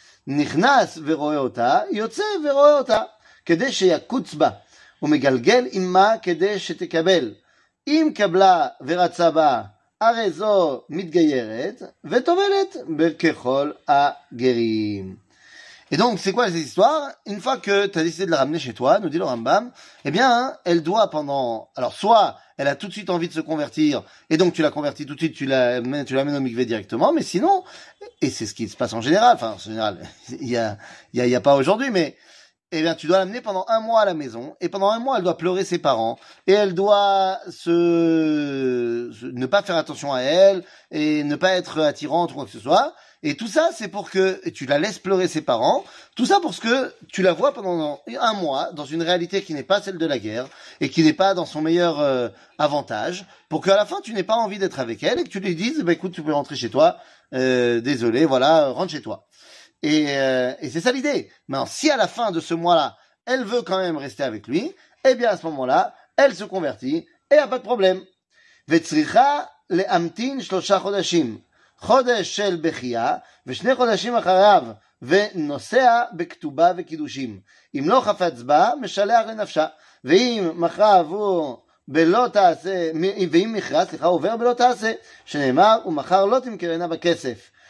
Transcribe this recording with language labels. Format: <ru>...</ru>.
<he>נכנס ורואה אותה, יוצא ורואה אותה, כדי שיקוץ בה, ומגלגל עמה כדי שתקבל. אם קבלה ורצה בה, הרי זו מתגיירת, וטובלת ככל הגרים.</he> <fr>Et donc, c'est quoi cette histoire? Une fois que tu as décidé de la ramener chez toi, nous dit le Rambam, eh bien, elle doit pendant... Alors, soit elle a tout de suite envie de se convertir, et donc tu la convertis tout de suite, tu l'amènes au mikvé directement, mais sinon, et c'est ce qui se passe en général, enfin, en général, il y a pas aujourd'hui, mais eh bien, tu dois l'amener pendant un mois à la maison, et pendant un mois, elle doit pleurer ses parents, et elle doit ne pas faire attention à elle, et ne pas être attirante ou quoi que ce soit. Et tout ça, c'est pour que tu la laisses pleurer ses parents. Tout ça pour que tu la vois pendant un mois dans une réalité qui n'est pas celle de la guerre et qui n'est pas dans son meilleur avantage, pour qu'à la fin, tu n'aies pas envie d'être avec elle et que tu lui dises, bah, écoute, tu peux rentrer chez toi. Désolé, voilà, rentre chez toi. Et c'est ça l'idée. Mais si à la fin de ce mois-là, elle veut quand même rester avec lui, eh bien, à ce moment-là, elle se convertit et il n'y a pas de problème.</fr> <he>« Vetzricha le'amtin shlosha chodashim » חודש של בכייה ושני חודשים אחריו ונוסע בכתובה וקידושים. אם לא חפץ בה, משלח לנפשה. ואם מכרה עבור בלא תעשה, ואם מכרה, סליחה, עובר בלא תעשה, שנאמר, ומחר לא תמכרנה בכסף.</he>